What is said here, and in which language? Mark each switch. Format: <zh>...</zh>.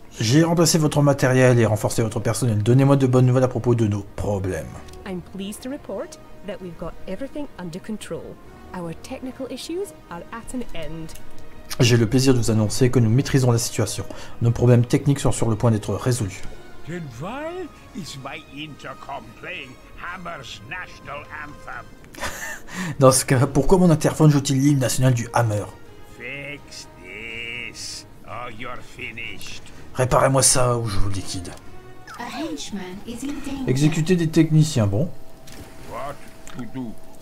<fr>J'ai remplacé votre matériel et renforcé votre personnel. Donnez-moi de bonnes nouvelles à propos de nos problèmes.</fr> <en>I'm pleased to report that we've got everything under control. Our technical issues are at an end.</en> <fr>J'ai le plaisir de vous annoncer que nous maîtrisons la situation. Nos problèmes techniques sont sur le point d'être résolus.</fr> <en>Then why is my intercom playing Hammer's national anthem?</en> <fr>Dans ce cas, pourquoi mon interphone joue-t-il l'hymne national du Hammer?</fr> <en>Fix this, or you're finished.</en> <fr>Réparez-moi ça ou je vous liquide.</fr> <en>A henchman is in danger.</en> <fr>Exécuter des techniciens, bon.</fr> <en>What to do?</en>